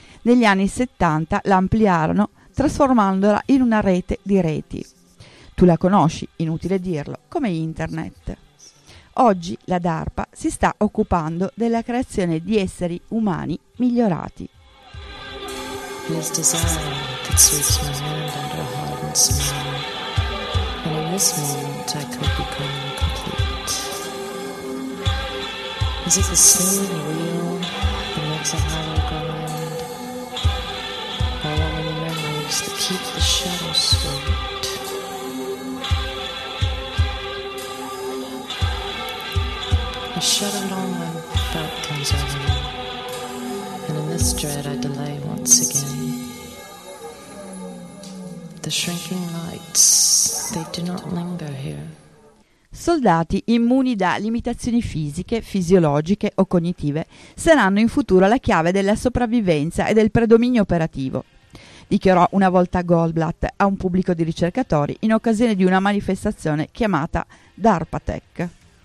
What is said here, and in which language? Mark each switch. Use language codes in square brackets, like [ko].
[it] Negli anni 70 la ampliarono, trasformandola in una rete di reti. Tu la conosci, inutile dirlo, come Internet. Oggi la DARPA si sta occupando della creazione di esseri umani migliorati. [en] His desire could switch my mind out of a hardened smile. And in this moment I could become complete. Is it the same wheel that makes a hollow grind? Or are the memories that keep the shadow straight? I shut it all when doubt comes over me, and in this dread I delay once again. The shrinking lights, they do not linger here. [it] Soldati immuni da limitazioni fisiche, fisiologiche o cognitive saranno in futuro la chiave della sopravvivenza e del predominio operativo, dichiarò una volta Goldblatt a un pubblico di ricercatori in occasione di una manifestazione chiamata DARPATech.